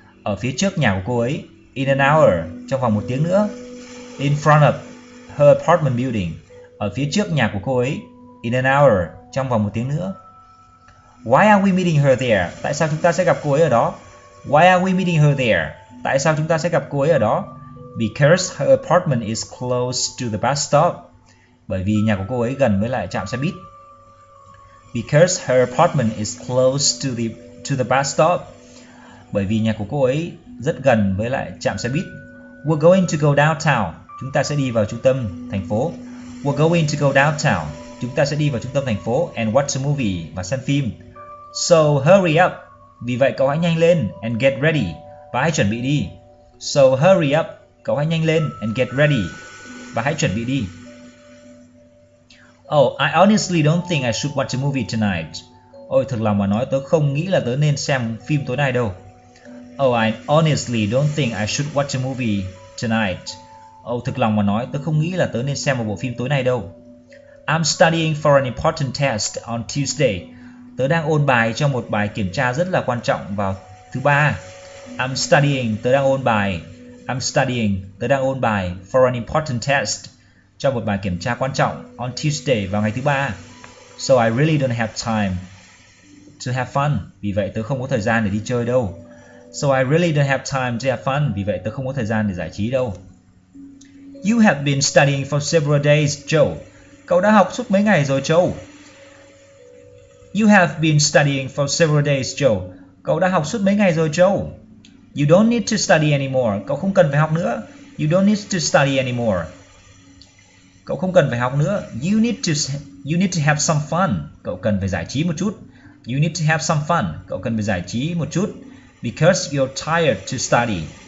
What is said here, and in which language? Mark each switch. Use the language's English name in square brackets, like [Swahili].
[Vietnamese] Ở phía trước nhà của cô ấy. [English] In an hour. [Vietnamese] Trong vòng một tiếng nữa. [English] In front of her apartment building. [Vietnamese] Ở phía trước nhà của cô ấy. [English] In an hour. [Vietnamese] Trong vòng một tiếng nữa. [English] Why are we meeting her there? [Vietnamese] Tại sao chúng ta sẽ gặp cô ấy ở đó? [English] Why are we meeting her there? [Vietnamese] Tại sao chúng ta sẽ gặp cô ấy ở đó? [English] Because her apartment is close to the bus stop. [Vietnamese] Bởi vì nhà của cô ấy gần với lại trạm xe buýt. [English] Because her apartment is close to the bus stop. [Vietnamese] Bởi vì nhà của cô ấy rất gần với lại trạm xe buýt. [English] We're going to go downtown. [Vietnamese] Chúng ta sẽ đi vào trung tâm thành phố. [English] We're going to go downtown. [Vietnamese] Chúng ta sẽ đi vào trung tâm thành phố [English] and watch a movie [Vietnamese] và xem phim. [English] So hurry up. [Vietnamese] Vì vậy cậu hãy nhanh lên [English] and get ready. [Vietnamese] Và hãy chuẩn bị đi. [English] So hurry up. [Vietnamese] Cậu hãy nhanh lên [English] and get ready. [Vietnamese] Và hãy chuẩn bị đi. [English] Oh, I honestly don't think I should watch a movie tonight. [Vietnamese] Ôi, thật lòng mà nói tớ không nghĩ là tớ nên xem phim tối nay đâu. [English] Oh, I honestly don't think I should watch a movie tonight. [Vietnamese] Ôi, thật lòng mà nói tớ không nghĩ là tớ nên xem một bộ phim tối nay đâu. [English] I'm studying for an important test on Tuesday. [Vietnamese] Tớ đang ôn bài cho một bài kiểm tra rất là quan trọng vào thứ ba. [English] I'm studying, [Vietnamese] tớ đang ôn bài. I'm studying, tớ đang ôn bài [English] for an important test. [Vietnamese] Cho một bài kiểm tra quan trọng [English] on Tuesday [Vietnamese] vào ngày thứ ba. [English] So I really don't have time to have fun. [Vietnamese] Vì vậy tớ không có thời gian để đi chơi đâu. [English] So I really don't have time to have fun. [Vietnamese] Vì vậy tớ không có thời gian để giải trí đâu. [English] You have been studying for several days, Joe. [Vietnamese] Cậu đã học suốt mấy ngày rồi, Joe. [English] You have been studying for several days, Joe. [Vietnamese] Cậu đã học suốt mấy ngày rồi, Joe. [English] You don't need to study anymore. [Vietnamese] Cậu không cần phải học nữa. [English] You don't need to study anymore. [Vietnamese] Cậu không cần phải học nữa. [English] You need to have some fun. [Vietnamese] Cậu cần phải giải trí một chút. [English] You need to have some fun. [Vietnamese] Cậu cần phải giải trí một chút. [English] Because you're tired to study.